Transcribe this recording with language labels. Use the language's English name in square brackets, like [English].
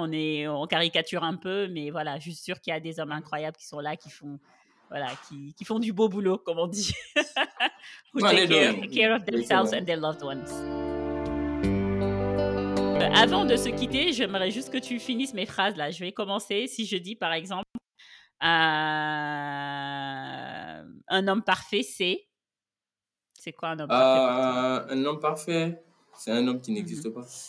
[French] On caricature un peu, mais voilà, je suis sûre qu'il y a des hommes incroyables qui sont là, qui font du beau boulot, comme on dit. [English] Who take care of themselves and their loved ones. [French] Avant de se quitter, j'aimerais juste que tu finisses mes phrases là. Je vais commencer. Si je dis par exemple, un homme parfait, c'est quoi un homme parfait? Un homme parfait, c'est un homme qui n'existe pas.